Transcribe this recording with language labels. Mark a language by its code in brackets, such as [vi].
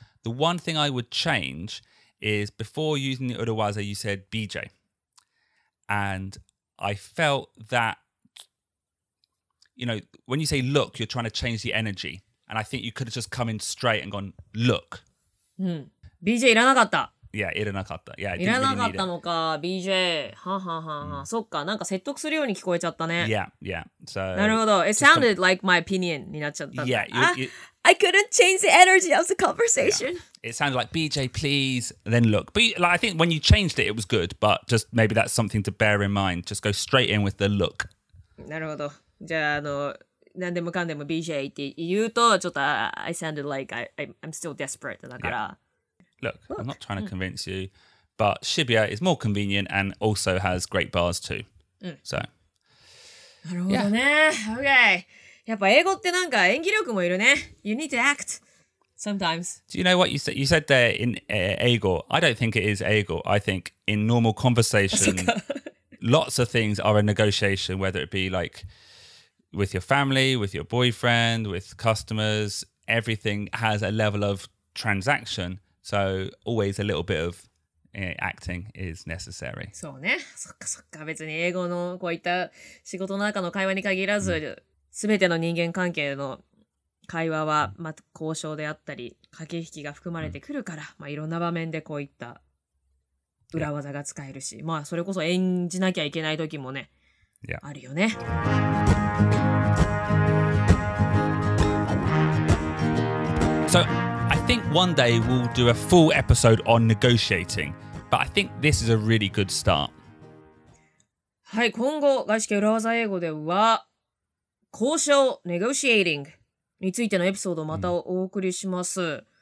[en] The one thing I would change is before using the urawaza, you said BJ. And I felt that, you know, when you say look, you're trying to change the energy. And I think you could have just come in straight and gone, look. [ja] BJ いらなかった。 Yeah, いらなかった。Yeah, いらなかったのか、BJ。はははは。そっか、なんか説得するように聞こえちゃったね。 [en] Yeah, yeah. So, [ja] なるほど。 [en] It sounded like my opinion [ja] になっちゃった。 [en] Yeah, I couldn't change the energy of the conversation. Yeah. It sounded like, BJ, please, then look. But like, I think when you changed it, it was good. But just maybe that's something to bear in mind. Just go straight in with the look. [ja] なるほど。じゃあ、何でもかんでも BJ って言うと、ちょっと [en] I sounded like I'm still desperate [ja] だから。Yeah. [en] Look, I'm not trying to convince you, but Shibuya is more convenient and also has great bars too. So, [ja] なるほどね。Okay. やっぱ英語ってなんか演技力もいるね。 [en] You need to act sometimes. Do you know what you said? You said that in 英語.I don't think it is 英語. I think in normal conversation, lots of things are a negotiation, whether it be like with your family, with your boyfriend, with customers. Everything has a level of transaction. So, always a little bit of acting is necessary. [ja] そうね。そっかそっか。別に英語のこういった仕事の中の会話に限らず、すべての人間関係の会話は、まあ、交渉であったり、駆け引きが含まれてくるから、まあ、いろんな場面でこういった裏技が使えるし、まあ、それこそ演じなきゃいけない時もね、あるよね。 [en] So,I think one day we'll do a full episode on negotiating, but I think this is a really good start. [ja] はい、今後外資系裏技英語では交渉 negotiating についてのエピソードをまたお送りします。